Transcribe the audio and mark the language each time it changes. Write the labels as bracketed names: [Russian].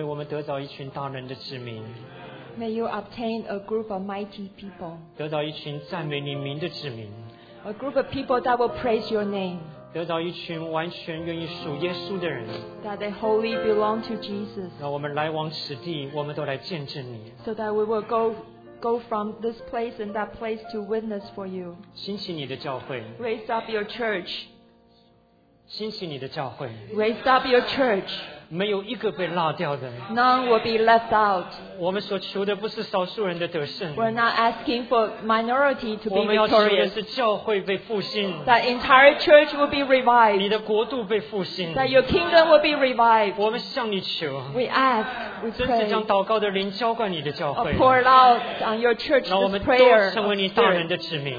[English] May you obtain a group of mighty people. [Chinese] 得到一群赞美你名的子民。 [English] A group of people that will praise your name. [Chinese] 得到一群完全愿意属耶稣的人。 [English] That they wholly belong to Jesus. [Chinese] 让我们来往此地，我们都来见证你。 [English] So that we will go from this place and that place to witness for you. [Chinese] 兴起你的教会。 [English] Raise up your church. [Chinese] 兴起你的教会。 [English] Raise up your church. [Chinese] 没有一个被落掉的。 [English] None will be left out. [Chinese] 我们所求的不是少数人的得胜。 [English] We're not asking for minority to be victorious. [Chinese] 我们要求的是教会被复兴。 [English] That entire church will be revived. [Chinese] 你的国度被复兴。 [English] That your kingdom will be revived. [Chinese] 我们向你求。 [English] We ask. We pray. [Chinese] 真是将祷告的灵浇灌你的教会。 [English] Pour it out on your church. [Chinese] 让我们都成为你大能的子民。